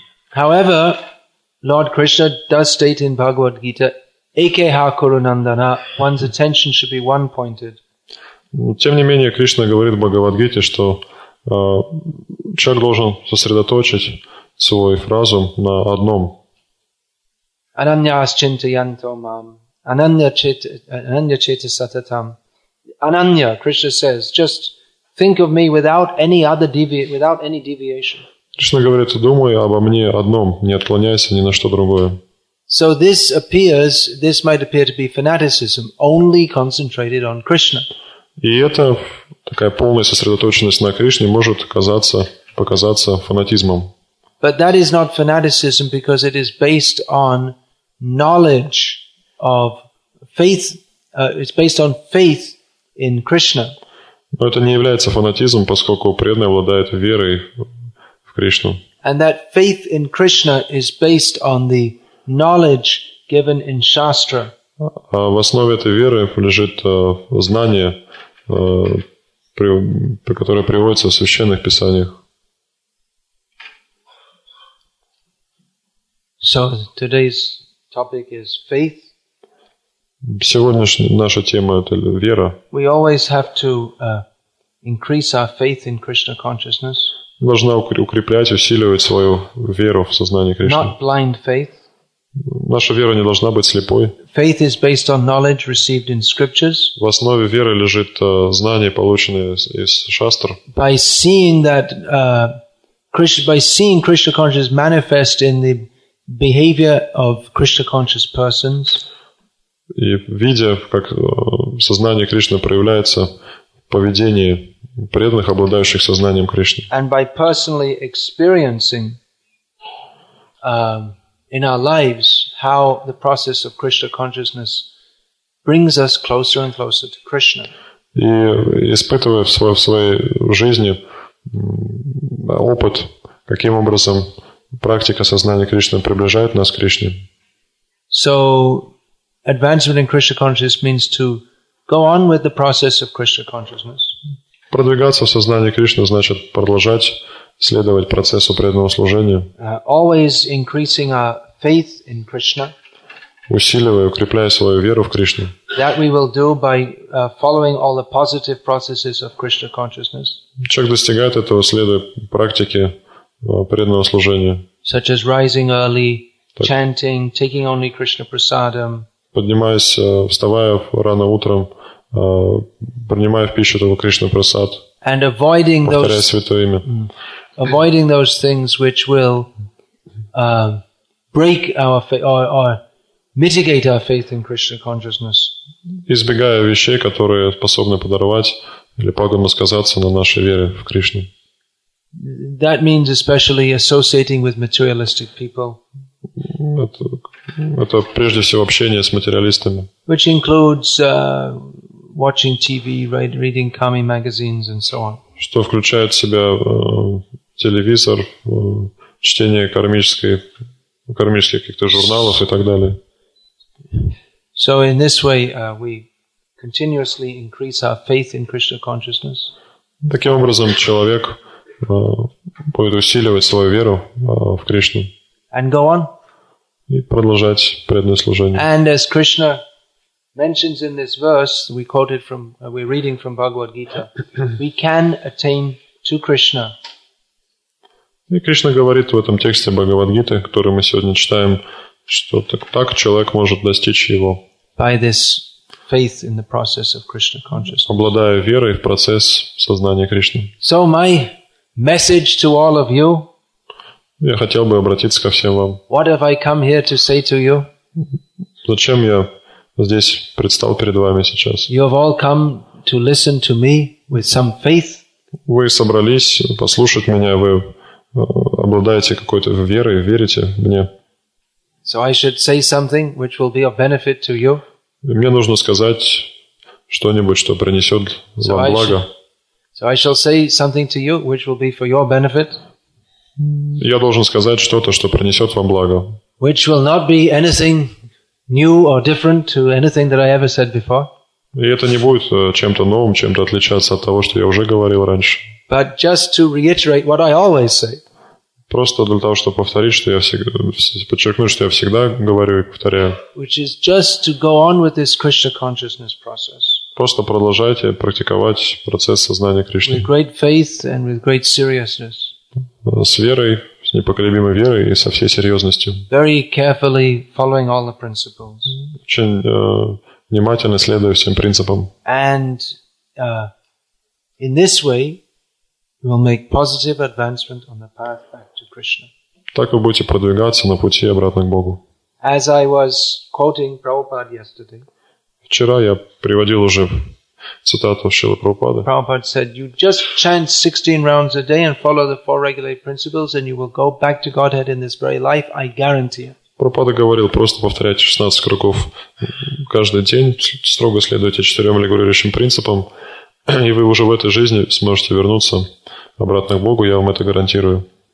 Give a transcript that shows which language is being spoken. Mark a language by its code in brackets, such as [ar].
[en] However, Lord Krishna does state in Bhagavad Gita, [sa] "Ekeha kuru nandana." [en] One's attention should be one-pointed. [ru] Тем не менее, Кришна говорит в Бхагавад-гите, что человек должен сосредоточить свой фразу на одном. [sa] Ананья чета сататам. [en] Ананья, Krishna says, just think of me without any deviation. [ru] Кришна говорит, думай обо мне одном, не отклоняйся ни на что другое. [en] So this might appear to be fanaticism, only concentrated on Krishna. [ru] И это такая полная сосредоточенность на Кришне может показаться фанатизмом. [en] But that is not fanaticism because it is based on knowledge of faith. It's based on faith in Krishna. [ru] Но это не является фанатизмом, поскольку преданный обладает верой в Кришну. [en] And that faith in Krishna is based on the knowledge given in Shastra. [ru] А в основе этой веры лежит знание, которое приводится в священных писаниях. [en] So today's topic is faith. [ru] Сегодняшняя наша тема это вера. [en] We always have to increase our faith in Krishna consciousness. [ru] Нужно укреплять, усиливать свою веру в сознание Кришны. [en] Not blind faith. [ru] Наша вера не должна быть слепой. [en] Faith is based on knowledge received in scriptures. [ru] В основе веры лежит знание, полученное из шастр. [en] By seeing Krishna consciousness manifest in the behavior of Krishna conscious persons. [ru] И видя, как сознание Кришны проявляется в поведении преданных, обладающих сознанием Кришны. [en] And by personally experiencing in our lives how the process of Krishna consciousness brings us closer and closer to Krishna. [ru] И испытывая в своей жизни опыт, каким образом практика сознания Кришны приближает нас к Кришне. [en] So, advancement in Krishna consciousness means to go on with the process of Krishna consciousness. [ru] Продвигаться в сознании Кришны значит продолжать следовать процессу преданного служения. [en] Always increasing our faith in Krishna. [ru] Усиливая, укрепляя свою веру в Кришну. [en] That we will do by following all the positive processes of Krishna consciousness. [ru] Человек достигает этого, следуя практике преданного служения. [en] Such as rising early, [ru] так, [en] chanting, taking only Krishna prasadam. [ru] Поднимаясь, вставая рано утром, принимая в пищу только Кришна прасад. [en] And avoiding [ru] повторяя [en] those, [ru] святое имя. [en] Avoiding those things which will break our faith or mitigate our faith in Krishna consciousness. [ru] Избегая вещей, которые способны подорвать или пагубно сказаться на нашей вере в Кришну. [en] That means especially associating with materialistic people. [ru] Это прежде всего общение с материалистами. [en] Which includes watching TV, reading kami magazines and so on. [ru] Что включает в себя телевизор, чтение кармических каких-то журналов и так далее. [en] So in this way we continuously increase our faith in Krishna consciousness. [ru] Таким образом человек будет усиливать свою веру в Кришну. [en] And go on. [ru] И продолжать преданное служение. [en] And as Krishna mentions in this verse, we quoted from, we're reading from Bhagavad Gita, we can attain to Krishna. [ru] И Кришна говорит в этом тексте Бхагавад Гиты, который мы сегодня читаем, что так человек может достичь его. [en] By this faith in the process of Krishna consciousness. [ru] Обладая верой в процесс сознания Кришны. [en] So my message to all of you. [ru] Я хотел бы обратиться ко всем вам. [en] What have I come here to say to you? [ru] Зачем я здесь предстал перед вами сейчас? [en] You have all come to listen to me with some faith. [ru] Вы собрались послушать меня, вы обладаете какой-то верой, верите мне. [en] So I should say something which will be of benefit to you. [ru] Мне нужно сказать что-нибудь, что принесет вам благо. [en] So I shall say something to you which will be for your benefit. [ru] Я должен сказать что-то, что принесет вам благо. [en] Which will not be anything new or different to anything that I ever said before. [ru] И это не будет чем-то новым, чем-то отличаться от того, что я уже говорил раньше. [en] But just to reiterate what I always say. [ru] Просто для того, чтобы повторить, что я всегда, подчеркнуть, что я всегда говорю и повторяю. [en] Which is just to go on with this Krishna consciousness process. [ru] Просто продолжайте практиковать процесс сознания Кришны. [en] With great faith and with great seriousness. [ru] С верой, с непоколебимой верой и со всей серьезностью. [en] Very carefully following all the principles. [ru] Очень внимательно следуя всем принципам. [en] And in this way you will make positive advancement on the path back to Krishna. [ru] Так вы будете продвигаться на пути обратно к Богу. [en] As I was quoting Prabhupada yesterday. [ru] Вчера я приводил уже цитату Шрилы Прабхупады. [en] Prabhupada said, you just chant 16 rounds a day and follow the four regulative principles and you will go back to Godhead in this very life, I guarantee it. [ru] Прабхупада говорил, просто повторяйте 16 кругов каждый день, строго следуйте четырем регулирующим принципам, и вы уже в этой жизни сможете вернуться обратно к Богу, я вам это гарантирую.